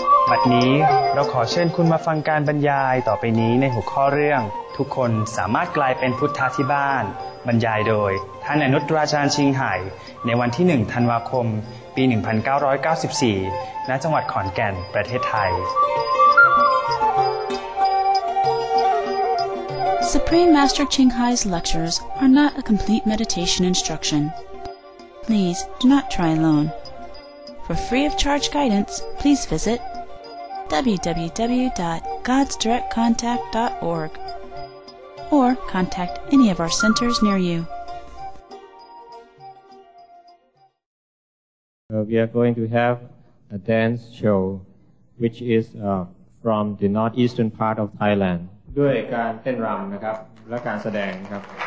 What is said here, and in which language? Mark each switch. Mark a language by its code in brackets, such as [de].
[th] บัดนี้เราขอเชิญคุณมาฟังการบรรยายต่อไปนี้ในหัวข้อเรื่องทุกคนสามารถกลายเป็นพุทธะที่บ้านบรรยายโดยท่านอนุตราจารย์ชิงไห่ในวันที่1ธันวาคมปี1994ณจังหวัดขอนแก่นประเทศไทย [en] Supreme Master Ching Hai's lectures are not a complete meditation instruction. Please do not try alone. For free of charge guidance, please visit www.godsdirectcontact.org. Or contact any of our centers near you. We are going to have a dance show, which is from the northeastern part of Thailand. [th] ด้วยการเต้นรำนะครับและการแสดงครับ